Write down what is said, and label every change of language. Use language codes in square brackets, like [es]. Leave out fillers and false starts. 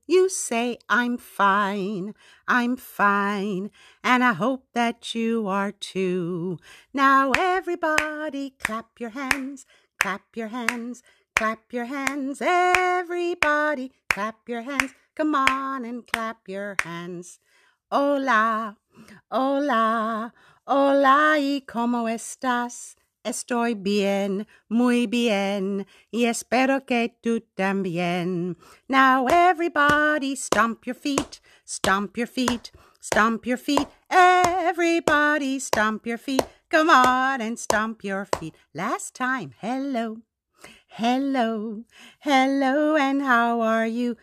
[en] You say, I'm fine, and I hope that you are too. Now everybody clap your hands, clap your hands. Everybody clap your hands, come on and clap your hands. [es] Hola, hola, hola y cómo estás? Estoy bien, muy bien, y espero que tú también. [en] Now everybody stomp your feet, stomp your feet, stomp your feet. Everybody stomp your feet, come on and stomp your feet. Last time, hello, hello, hello, and how are you?